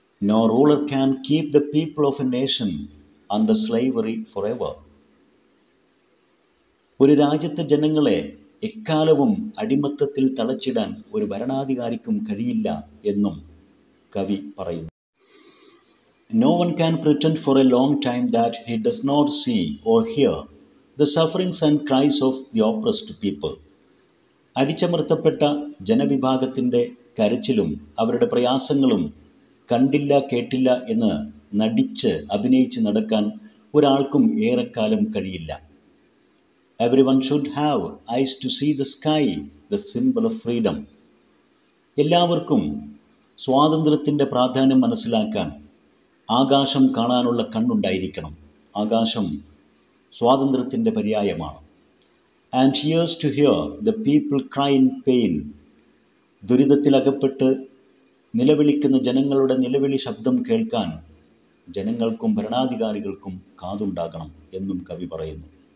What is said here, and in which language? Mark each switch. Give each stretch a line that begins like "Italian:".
English: No ruler can keep the people of a nation under slavery forever.
Malayalam: ഒരു രാജ്യത്തെ ജനങ്ങളെ എക്കാലവും അടിമത്തത്തിൽ തളച്ചിടാൻ ഒരു ഭരണാധികാരിക്കും കഴിയില്ല എന്നും കവി പറയുന്നു.
English: No one can pretend for a long time that he does not see or hear the sufferings and cries of the oppressed people.
Malayalam: അടിച്ചമർത്തപ്പെട്ട ജനവിഭാഗത്തിൻ്റെ കരച്ചിലും അവരുടെ പ്രയാസങ്ങളും കണ്ടില്ല കേട്ടില്ല എന്ന് നടിച്ച് അഭിനയിച്ച് നടക്കാൻ ഒരാൾക്കും ഏറെക്കാലം കഴിയില്ല.
English: Everyone should have eyes to see the sky, the symbol of freedom.
Malayalam: എല്ലാവർക്കും സ്വാതന്ത്ര്യത്തിൻ്റെ പ്രാധാന്യം മനസ്സിലാക്കാൻ ആകാശം കാണാനുള്ള കണ്ണുണ്ടായിരിക്കണം. ആകാശം സ്വാതന്ത്ര്യത്തിൻ്റെ പര്യായമാണ്.
English: And ears to hear the people cry in pain.
Malayalam: ദുരിതത്തിലകപ്പെട്ട് നിലവിളിക്കുന്ന ജനങ്ങളുടെ നിലവിളി ശബ്ദം കേൾക്കാൻ ജനങ്ങൾക്കും ഭരണാധികാരികൾക്കും കാതുണ്ടാകണം എന്നും കവി പറയുന്നു.